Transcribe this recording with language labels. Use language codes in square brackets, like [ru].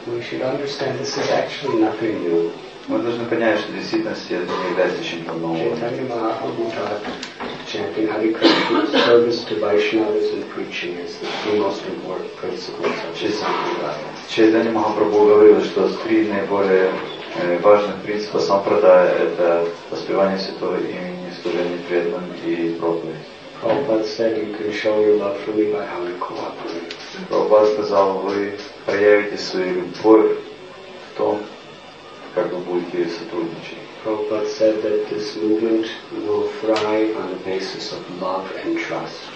[en] We should understand this is actually nothing new. [ru] Мы должны понять, что в действительности это не является чем-то новым. [en] Chaitanya Mahaprabhu taught chanting Hare Krishna, service to Vaishnavas and preaching is the three most important principles of the Sampradaya. [ru] Chaitanya Mahaprabhu говорил, что три наиболее важных принципа Сампрадая – это воспевание святого имени, служение преданным и проповедь. [en] Prabhupada said you can show your love for me by how you cooperate. [ru] Prabhupada сказал, вы проявите свою любовь в том, как вы будете сотрудничать. [en] Prabhupada said that this movement will thrive on the basis of love and trust.